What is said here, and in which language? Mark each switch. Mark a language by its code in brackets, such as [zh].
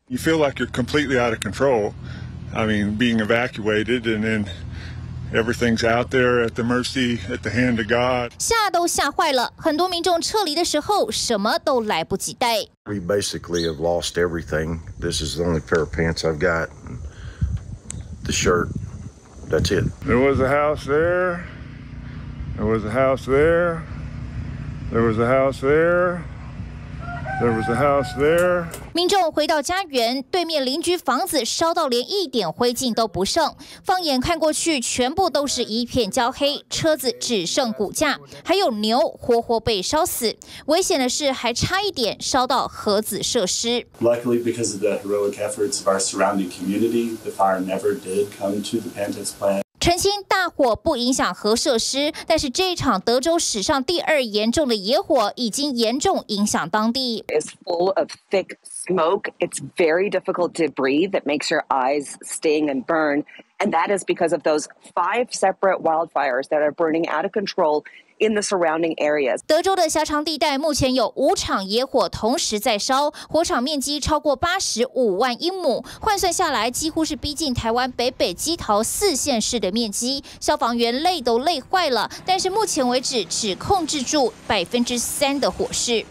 [en] You feel like you're completely out of control. I mean, being evacuated and then everything's out there at the mercy, at the hand of God. [zh] 吓都吓坏了，很多民众撤离的时候什么都来不及带。 [en] We basically have lost everything. This is the only pair of pants I've got. The shirt. That's it. There was a house there. There was a house there. There was a house there. There was a house there. [zh] 民众回到家园，对面邻居房子烧到连一点灰烬都不剩，放眼看过去，全部都是一片焦黑，车子只剩骨架，还有牛活活被烧死。危险的是，还差一点烧到核子设施。 [en] Luckily, because of the heroic efforts of our surrounding community, the fire never did come to the Pantex plant. [zh] 澄清，大火不影响核设施，但是这一场德州史上第二严重的野火已经严重影响当地。 [en] It's full of thick smoke. It's very difficult to breathe. It makes your eyes sting and burn, and that is because of those five separate wildfires that are burning out of control. In the surrounding areas. [zh] 德州的狭长地带目前有五场野火同时在烧，火场面积超过85万英亩，换算下来几乎是逼近台湾北北基桃四县市的面积。消防员累都累坏了，但是目前为止只控制住3%的火势。